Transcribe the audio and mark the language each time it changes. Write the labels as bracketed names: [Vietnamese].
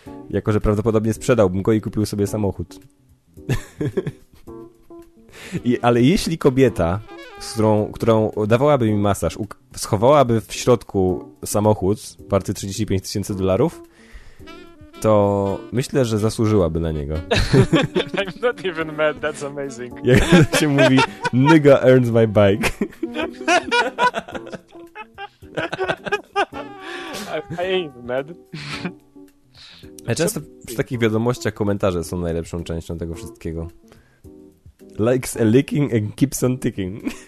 [Polish] Jako, że prawdopodobnie sprzedałbym go i kupił sobie samochód. Ale jeśli kobieta którą dawałaby mi masaż, schowałaby w środku samochód warty 35 tysięcy dolarów, to myślę, że zasłużyłaby na niego. [English] I'm not even mad, that's amazing. [Polish] Jak to się mówi, [English] nigga earns my bike. I ain't mad. [Polish] A często przy takich wiadomościach komentarze są najlepszą częścią tego wszystkiego. [English] Likes a licking and keeps on ticking.